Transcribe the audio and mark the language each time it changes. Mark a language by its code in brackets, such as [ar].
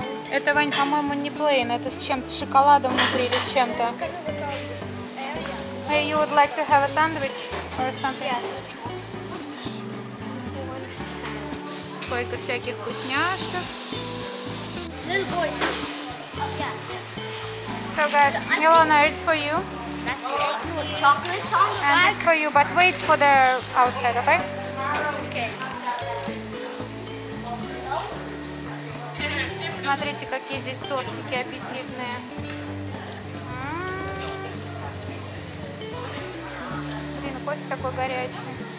[ru] Это, Вань, по-моему, не плейн, это с чем-то, шоколадом внутри или чем-то. [en] Hey, you would like to have a sandwich or something? Yes. [ru] Сколько всяких вкусняшек. [en] Little boy. Yeah. So, guys, Milona, it's for you. That's cake with chocolate on it. And it's for you, but wait for the outside, okay? [ru] Смотрите, какие здесь тортики аппетитные. Блин, кофе такой горячий.